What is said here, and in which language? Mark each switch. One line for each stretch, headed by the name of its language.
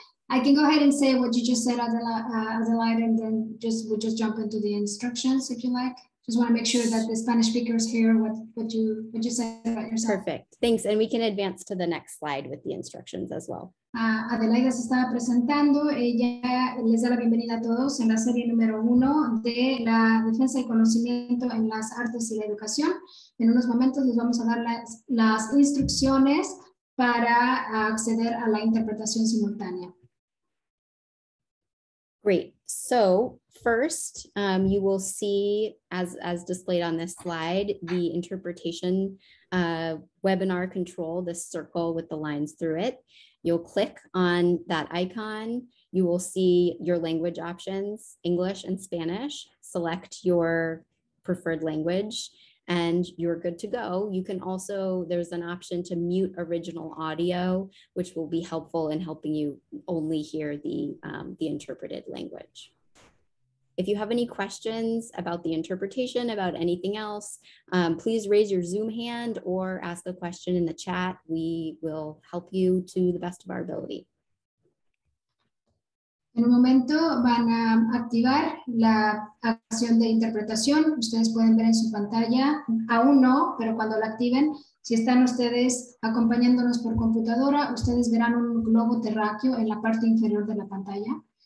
English: I can go ahead and say what you just said, Adelaide, and then we'll jump into the instructions if you like. Just want to make sure that the Spanish speakers hear what you said about yourself. Perfect. Thanks. And we can advance to the next slide with the instructions as well.
Spanish: Adelaide se estaba presentando. Ella les da la bienvenida a todos en la serie número uno de la defensa y conocimiento en las artes y la educación. En unos momentos les vamos a dar las instrucciones para acceder a la interpretación simultánea.
English: Great. So first, you will see, as displayed on this slide, the interpretation webinar control, this circle with the lines through it. You'll click on that icon. You will see your language options, English and Spanish. Select your preferred language and you're good to go. You can also, there's an option to mute original audio, which will be helpful in helping you only hear the interpreted language. If you have any questions about the interpretation, about anything else, please raise your Zoom hand or ask a question in the chat. We will help you to the best of our ability.
Spanish: En un momento van a activar la acción de interpretación. Ustedes pueden ver en su pantalla, aún no, pero cuando la activen, si están ustedes acompañándonos por computadora, ustedes verán un globo terráqueo en la parte inferior de la pantalla.